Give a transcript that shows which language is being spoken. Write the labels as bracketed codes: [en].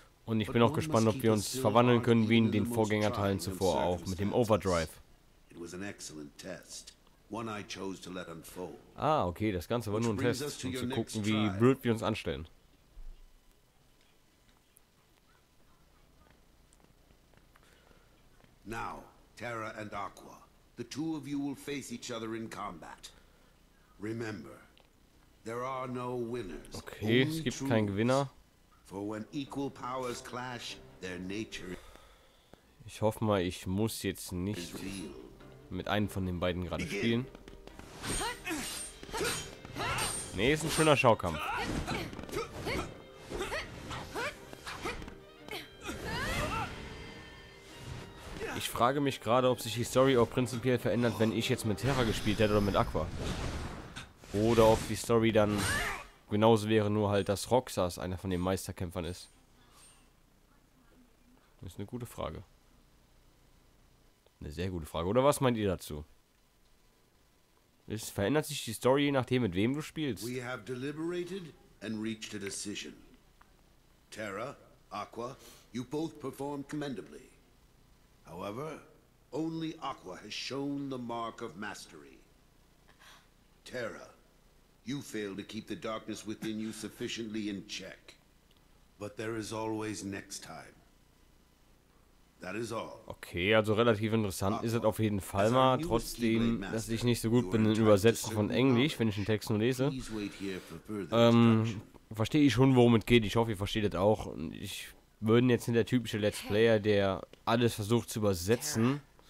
[de] Und ich bin auch gespannt, ob wir uns verwandeln können wie in den Vorgängerteilen zuvor auch mit dem Overdrive. [en] It was an excellent test. One I chose to let unfold. [de] Ah, okay, das Ganze war nur ein Test, um zu gucken, wie blöd wir uns anstellen. [en] Now, Terra and Aqua, the two of you will face each other in combat. Remember, there are no winners. [de] Okay, es gibt keinen Gewinner. [en] For when equal powers clash, their nature. [de] Ich hoffe mal, ich muss jetzt nicht mit einem von den beiden gerade spielen. Nee, ist ein schöner Schaukampf. Ich frage mich gerade, ob sich die Story auch prinzipiell verändert, wenn ich jetzt mit Terra gespielt hätte oder mit Aqua. Oder ob die Story dann genauso wäre, nur halt, dass Roxas einer von den Meisterkämpfern ist. Das ist eine gute Frage. Eine sehr gute Frage. Oder was meint ihr dazu? Es verändert sich die Story, je nachdem, mit wem du spielst. [en] We have deliberated and reached a decision. Terra, Aqua, you both performed commendably. However, only Aqua has shown the mark of mastery. Terra, you fail to keep the darkness within you sufficiently in check. But there is always next time. That is all. [de] Okay, also relativ interessant ist es auf jeden Fall mal, trotzdem, dass ich nicht so gut bin in Übersetzen von Englisch, wenn ich den Text nur lese. Verstehe ich schon, worum es geht. Ich hoffe, ihr versteht es auch. Ich bin jetzt nicht der typische Let's Player, der alles versucht zu übersetzen.